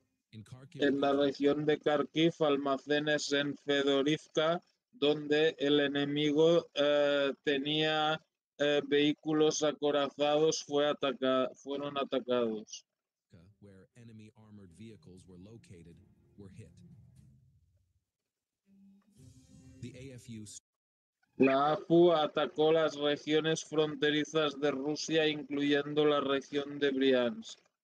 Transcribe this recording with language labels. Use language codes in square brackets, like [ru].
[es] En la región de Kharkiv, almacenes en Fedorivka, donde el enemigo tenía vehículos acorazados, fueron atacados. [en] Where enemy armored vehicles were located, were hit. The AFU... [es] La AFU atacó las regiones fronterizas de Rusia, incluyendo la región de Bryansk.